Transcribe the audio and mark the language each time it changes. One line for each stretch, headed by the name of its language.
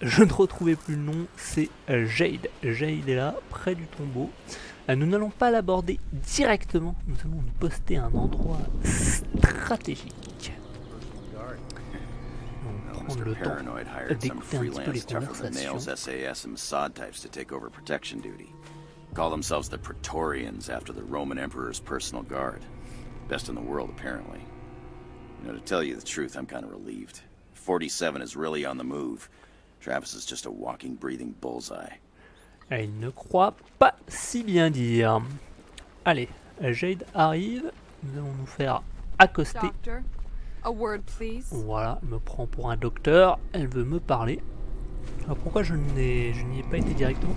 French: Je ne retrouvais plus le nom. C'est Jade. Jade est là, près du tombeau. Nous n'allons pas l'aborder directement. Nous allons nous poster à un endroit stratégique. On va prendre le temps d'écouter un petit peu les conversations.
English: SAS and Mossad types to take over protection duty. Call themselves the Praetorians after the Roman Emperor's personal guard. Best in the world, apparently. You know, to tell you the truth, I'm kind of relieved. 47 is really on the move. Travis is just a walking, breathing bullseye.
French: Elle ne croit pas si bien dire. Allez, Jade arrive. Nous allons nous faire accoster.
English: Doctor, a word, please.
French: Voilà, elle me prend pour un docteur. Elle veut me parler. Alors pourquoi je n'y ai pas été directement?